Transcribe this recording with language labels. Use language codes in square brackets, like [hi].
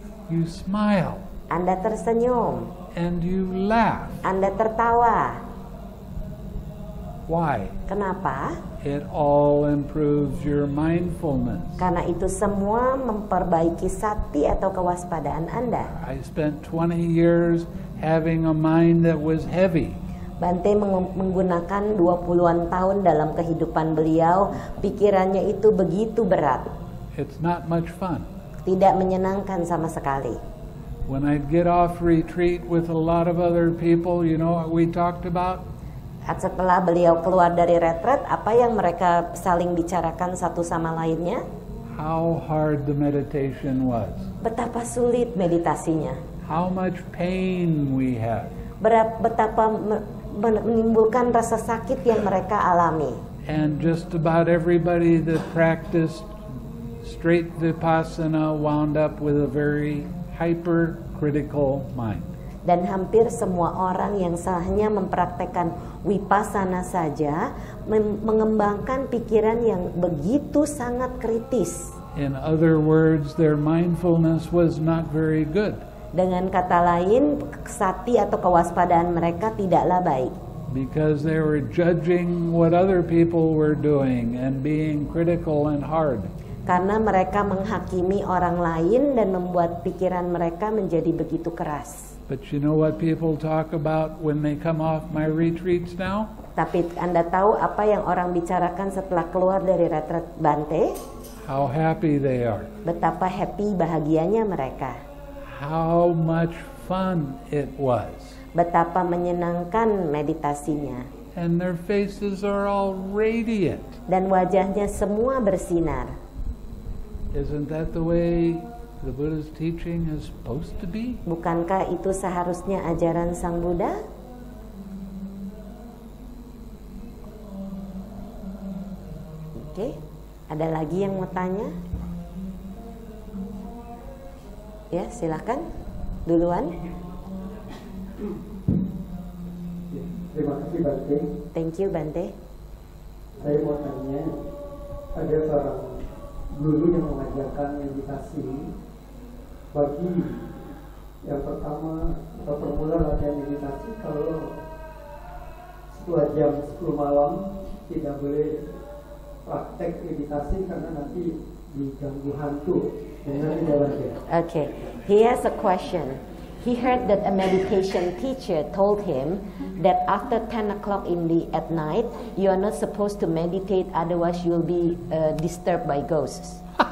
[en] You smile. [id] Anda tersenyum. [en] And you laugh. [id] Anda tertawa. [en] Why? [id] Kenapa? [en] It all improves your mindfulness. [id] Karena itu semua memperbaiki sati atau kewaspadaan Anda. [en] I spent 20 years having a mind that was heavy. [id] Bante menggunakan 20-an tahun dalam kehidupan beliau, pikirannya itu begitu berat. [en] It's not much fun. [id] Tidak menyenangkan sama sekali. [en] When I'd get off retreat with a lot of other people, you know what we talked about? [id] Setelah beliau keluar dari retret, apa yang mereka saling bicarakan satu sama lainnya? [en] how hard the meditation was. [id] Betapa sulit meditasinya. [en] How much pain we had. [id] Betapa menimbulkan rasa sakit yang mereka alami. [en] And just about everybody that practiced straight vipassana wound up with a very hypercritical mind. [id] Dan hampir semua orang yang hanya mempraktekkan vipassana saja mengembangkan pikiran yang begitu sangat kritis. [en] In other words, their mindfulness was not very good. [id] Dengan kata lain, sati atau kewaspadaan mereka tidaklah baik. [en] Because they were judging what other people were doing and being critical and hard. [id] Karena mereka menghakimi orang lain dan membuat pikiran mereka menjadi begitu keras. [en] But you know what people talk about when they come off my retreats now? [id] Tapi Anda tahu apa yang orang bicarakan setelah keluar dari retret Bante? [en] How happy they are. [id] Betapa happy bahagianya mereka. [en] How much fun it was. [id] Betapa menyenangkan meditasinya. [en] And their faces are all radiant. [id] Dan wajahnya semua bersinar. [en] Isn't that the way the Buddha's teaching is supposed to be? [id] Bukankah itu seharusnya ajaran Sang Buddha? Oke, ada lagi yang mau tanya? Ya, silakan duluan. Terima kasih Bante. [en] Thank you Bante. [id] Saya mau tanya, ada seorang guru yang mengajarkan meditasi bagi yang pertama atau pemula latihan meditasi, kalau 10 jam 10 malam tidak boleh praktek meditasi karena nanti diganggu hantu. [en] Okay, he has a question. He heard that a meditation teacher told him that after 10 o'clock at night, you are not supposed to meditate, otherwise you will be disturbed by ghosts.